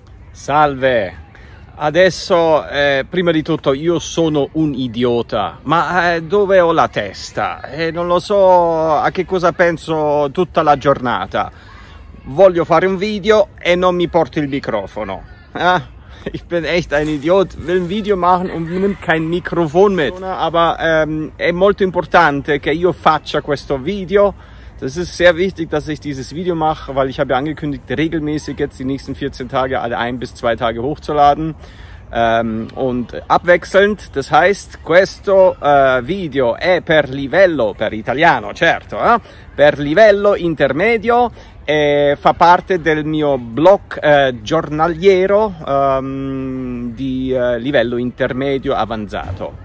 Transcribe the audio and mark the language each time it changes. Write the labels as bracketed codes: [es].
[it] Salve, adesso prima di tutto io sono un idiota, ma dove ho la testa? Non lo so a che cosa penso tutta la giornata. Voglio fare un video e non mi porti il microfono. [de] Ich bin echt ein Idiot, will ein Video machen und nimmt kein Mikrofon mit. [it] Aber è molto importante che io faccia questo video. [de] Das ist sehr wichtig, dass ich dieses Video mache, weil ich habe ja angekündigt, regelmäßig jetzt die nächsten 14 Tage alle 1 bis 2 Tage hochzuladen. Und abwechselnd. Das heißt, [it] questo video è per livello, per italiano, certo, per livello intermedio e fa parte del mio blog giornaliero di livello intermedio avanzato.